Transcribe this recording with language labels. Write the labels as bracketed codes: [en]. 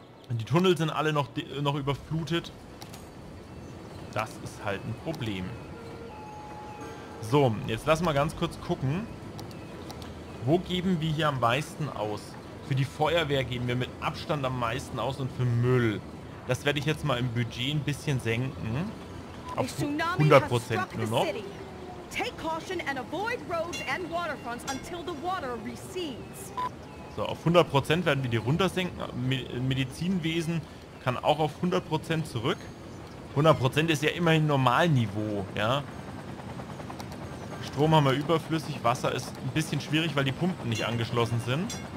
[de] Die Tunnel sind alle noch überflutet. Das ist halt ein Problem. So, jetzt lass mal ganz kurz gucken. Wo geben wir hier am meisten aus? Für die Feuerwehr geben wir mit Abstand am meisten aus und für Müll. Das werde ich jetzt mal im Budget ein bisschen senken. Auf 100% nur noch. [en] Take caution and avoid roads and waterfronts until the water recedes. [de] So, auf 100% werden wir die runtersenken. Medizinwesen kann auch auf 100% zurück. 100% ist ja immerhin Normalniveau, ja. Strom haben wir überflüssig. Wasser ist ein bisschen schwierig, weil die Pumpen nicht angeschlossen sind.